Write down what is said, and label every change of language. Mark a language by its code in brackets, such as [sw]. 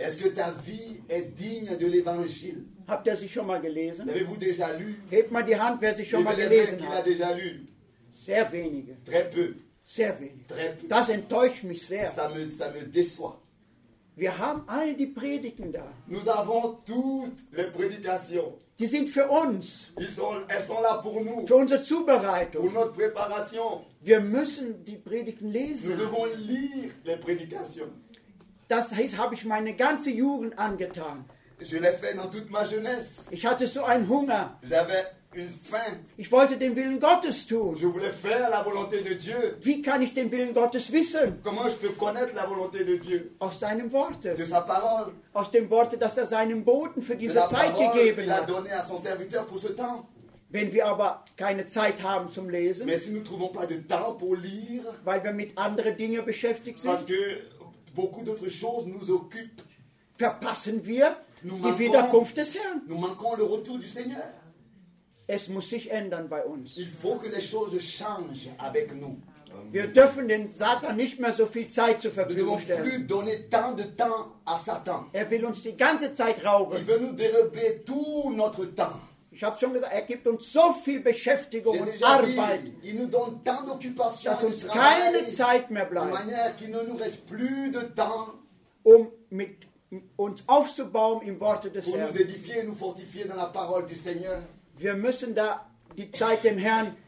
[fr] Est-ce que ta vie est digne de l'Évangile? [de] Habt ihr sie schon mal gelesen? [fr] L'avez-vous déjà lu? [de] Hebt mal die Hand, wer sie schon mal gelesen hat. [fr] Déjà lu? [de] Sehr wenige. [fr] Très peu. [de] Sehr wenige. [fr] Très peu. [de] Das enttäuscht mich sehr. [fr] Ça me déçoit. [de] Wir haben all die Predigten da. [fr] Nous avons toutes les prédications. [de] Die sind für uns. [fr] Elles sont là pour nous. [de] Für unsere Zubereitung. [fr] Pour notre préparation. [de] Wir müssen die Predigten lesen. [fr] Nous devons lire les prédications. [de] Das heißt, habe ich meine ganze Jugend angetan. [fr] Je l'ai fait dans toute ma jeunesse. [de] Ich hatte so einen Hunger. [fr] J'avais une faim. [de] Ich wollte den Willen Gottes tun. [fr] Je voulais faire la volonté de Dieu. [de] Wie kann ich den Willen Gottes wissen? [fr] Comment je peux connaître la volonté de Dieu? [de] Aus seinem Worte. [fr] De sa parole. [de] Aus dem Worte, dass er seinem Boten für diese Zeit gegeben hat. [fr] De la parole qu'il a donné à son serviteur pour ce temps. [de] Wenn wir aber keine Zeit haben zum Lesen. [fr] Mais si nous trouvons pas de temps pour lire. [de] Weil wir mit anderen Dingen beschäftigt sind. [fr] Parce que beaucoup d'autres choses nous occupent. [de] Verpassen wir die Wiederkunft des Herrn. [fr] Nous manquons le retour du Seigneur. [de] Es muss sich ändern bei uns. [fr] Il faut que les choses changent avec nous. [de] Wir dürfen den Satan nicht mehr so viel Zeit zur Verfügung stellen. [fr] Nous ne devons plus donner tant de temps à Satan. [de] Er will uns die ganze Zeit rauben. [fr] Il veut nous dérober tout notre temps. [de] Ich habe schon gesagt, er gibt uns so viel Beschäftigung und Arbeit. [fr] Il nous donne tant d'occupation, [de] dass uns keine Zeit mehr bleibt. [fr] De manière qu'il ne nous reste plus de temps, [de] um mit uns aufzubauen im Worte des Herrn. [fr] Pour nous édifier, nous fortifier dans la parole du Seigneur. [de] Wir müssen da die Zeit dem Herrn,